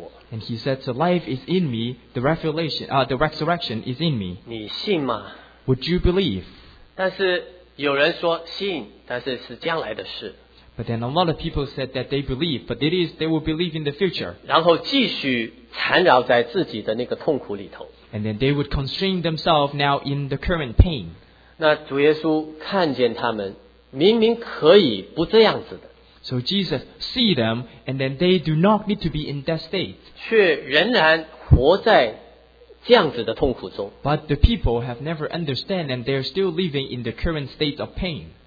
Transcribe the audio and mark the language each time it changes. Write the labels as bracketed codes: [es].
[en] and he said, so life is in me, the resurrection is in me. [zh] 你信吗? [en] Would you believe? [zh] 但是有人说信, [en] but then a lot of people said that they believe, but it is they will believe in the future. [zh] 然后继续缠绕在自己的那个痛苦里头。 [en] And then they would constrain themselves now in the current pain. [zh] 那主耶稣看见他们明明可以不这样子的, [en] so Jesus see them and then they do not need to be in that state. [zh] 却仍然活在这样子的痛苦中, [en] but the people have never understand and they are still living in the current state of pain.